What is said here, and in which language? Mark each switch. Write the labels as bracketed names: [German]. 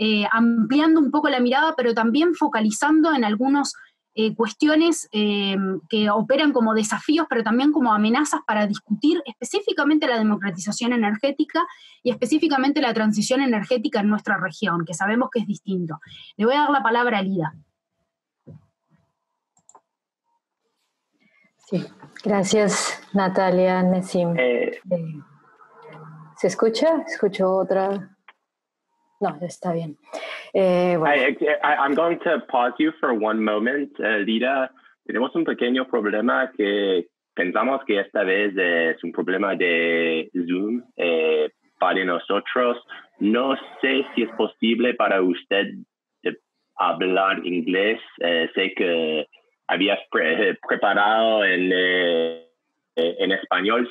[Spanish] ampliando un poco la mirada, pero también focalizando en algunas cuestiones que operan como desafíos, pero también como amenazas para discutir específicamente la democratización energética y específicamente la transición energética en nuestra región, que sabemos que es distinto. Le voy a dar la palabra a Lyda. Sí, gracias Natalia, Nesim. ¿Se escucha? ¿Escucho otra? No, está bien. [English] I'm going to pause you for one moment, Lyda. [Spanish] Tenemos un pequeño problema que pensamos que esta vez es un problema de Zoom para nosotros. No sé si es posible para usted hablar inglés. Sé que habías preparado en español.